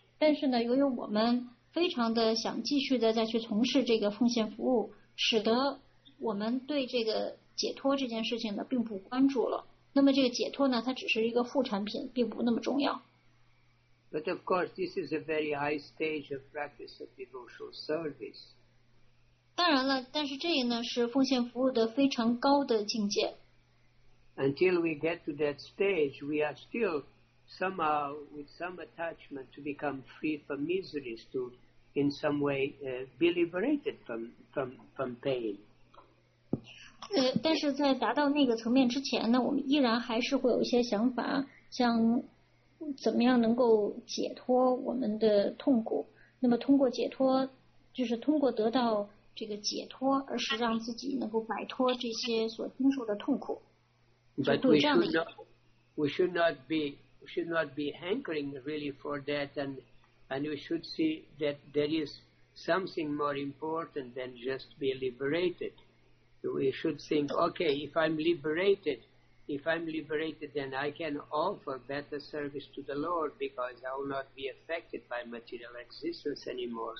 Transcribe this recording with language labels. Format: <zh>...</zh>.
<zh>但是呢，由于我们非常的想继续的再去从事这个奉献服务，使得我们对这个解脱这件事情呢并不关注了。那么这个解脱呢，它只是一个副产品，并不那么重要。</zh> <en>But of course, this is a very high stage of practice of devotional service.</en> <zh>当然了，但是这也呢是奉献服务的非常高的境界。</zh> <en>Until we get to that stage, we are still somehow with some attachment to become free from miseries, to in some way be liberated from pain.</en> <zh>但是在达到那个层面之前呢，我们依然还是会有一些想法，像怎么样能够解脱我们的痛苦。那么通过解脱，就是通过得到这个解脱，而是让自己能够摆脱这些所经受的痛苦。</zh> <en>But we should not be hankering really for that, and we should see that there is something more important than just be liberated. We should think, okay, if I'm liberated, then I can offer better service to the Lord because I will not be affected by material existence anymore.</en>